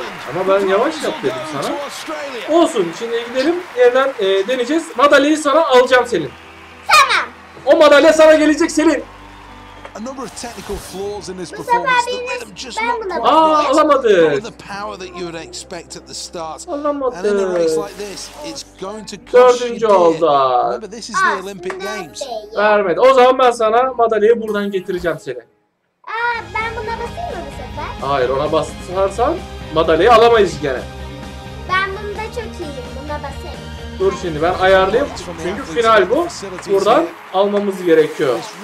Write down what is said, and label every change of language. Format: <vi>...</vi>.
<tr>Ama ben yavaş yap dedim sana. Olsun, şimdi gidelim yerden deneyeceğiz. Madalyayı sana alacağım senin. Tamam. O madalya sana gelecek senin.</tr> <en>A number of technical flaws in this performance that made them just not quite.</en> <tr>Aa, alamadı.</tr> <en>The power that you would expect at the start. And in a race like this, it's going to cost you. Remember, this is the Olympic Games.</en> <tr>Vermedi. O zaman ben sana madalyayı buradan getireceğim seni. Aa, ben buna basayım mı bu sefer? Hayır, ona basarsan madalyayı alamayız gene. Ben bunda çok iyiyim. Buna basayım. Dur şimdi ben ayarlayayım. Çünkü final bu. Buradan almamız gerekiyor.</tr>